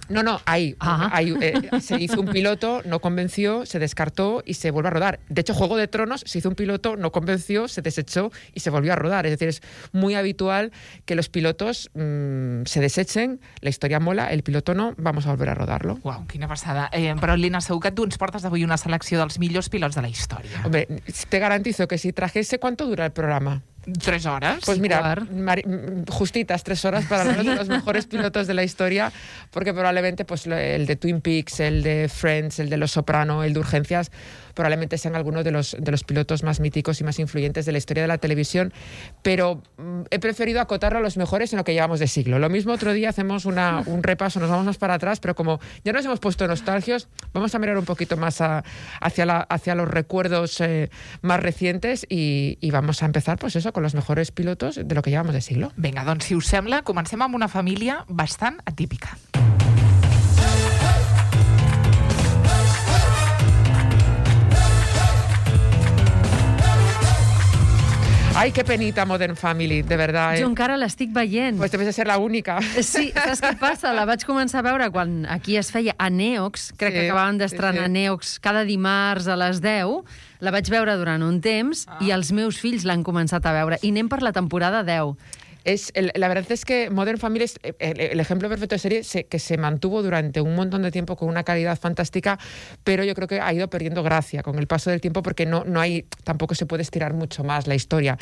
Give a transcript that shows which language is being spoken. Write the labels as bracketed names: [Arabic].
[Spanish] No, se hizo un piloto, no convenció, se descartó y se vuelve a rodar. De hecho, Juego de Tronos se hizo un piloto, no convenció, se desechó y se volvió a rodar. Es decir, es muy habitual que los pilotos se desechen, la historia mola, el piloto no, vamos a volver a rodarlo. [Catalan] Uau, quina passada. Però, Lina, segur que tu ens portes avui una selecció dels millors pilots de la història. [Spanish] Hombre, te garantizo que si trajese, ¿cuánto dura el programa? [Catalan] 3 hores. [Spanish] Pues mira, justitas, [Catalan] 3 hores [Spanish] para uno de los mejores pilotos de la historia, porque probablemente pues, el de Twin Peaks, el de Friends, el de Los Soprano, el de Urgencias, probablemente sean algunos de los pilotos más míticos y más influyentes de la historia de la televisión, pero he preferido acotarlo a los mejores en lo que llevamos de siglo. Lo mismo otro día hacemos un repaso, nos vamos más para atrás, pero como ya nos hemos puesto nostalgios, vamos a mirar un poquito más hacia los recuerdos más recientes y vamos a empezar, pues eso, con los mejores pilotos de lo que llevamos de siglo. [Catalan] Venga, doncs, si us sembla, comencem amb una família bastant atípica. Ai, que penita Modern Family, de veritat. Jo encara l'estic veient. Pues també has de ser l'única. Sí, saps què passa? La vaig començar a veure quan aquí es feia a Neox, crec que acabaven d'estrenar a Neox cada dimarts a les 10. La vaig veure durant un temps i els meus fills l'han començat a veure. I anem per la temporada 10. [Spanish] La verdad es que Modern Family es el ejemplo perfecto de serie que se mantuvo durante un montón de tiempo con una calidad fantástica, pero yo creo que ha ido perdiendo gracia con el paso del tiempo porque no hay, tampoco se puede estirar mucho más la historia.